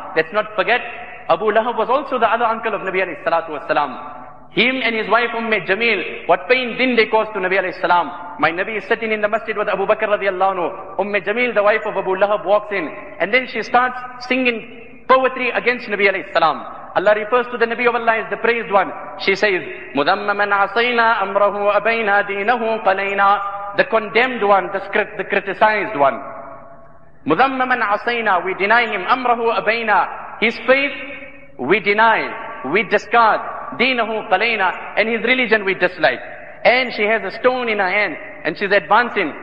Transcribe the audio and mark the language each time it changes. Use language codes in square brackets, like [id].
[en] Let's not forget, Abu Lahab was also the other uncle of Nabi alayhi salatu was salam. Him and his wife Umm Jamil, what pain din they caused to Nabi alayhi salam. My Nabi is sitting in the masjid with Abu Bakr radiallahu anhu. Umm Jamil, the wife of Abu Lahab, walks in and then she starts singing poetry against Nabi alayhi salam. Allah refers to the Nabi of Allah as the praised one. She says, [ar] مُذَمَّمَنْ عَصَيْنَا أَمْرَهُ أَبَيْنَا دِينَهُ قَلَيْنَا. [en] The condemned one, the criticized one. [ar] مُذَمَّمَنْ عَصَيْنَا. [en] We deny him. [ar] أَمْرَهُ أَبَيْنَا. [en] His faith, we deny. We discard. [ar] دِينَهُ قَلَيْنَا. [en] And his religion, we dislike. And she has a stone in her hand. And she's advancing.